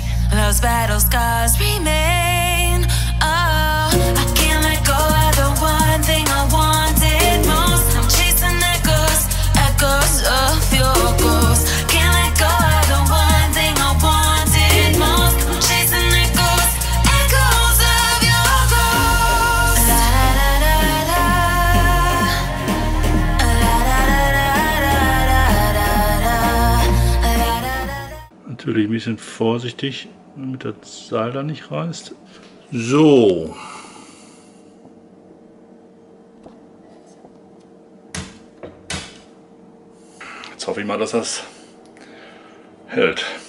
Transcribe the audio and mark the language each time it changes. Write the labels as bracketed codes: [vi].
[en] Those battle scars remain. Oh, I can't let go of the one thing I wanted most. I'm chasing echoes of your ghost. Can't let go of the one thing I wanted most. I'm chasing echoes of your ghost. La la la la la la la la la la la la la la la la la. [de] Natürlich ein bisschen vorsichtig, damit das Seil da nicht reißt. So. Jetzt hoffe ich mal, dass das hält.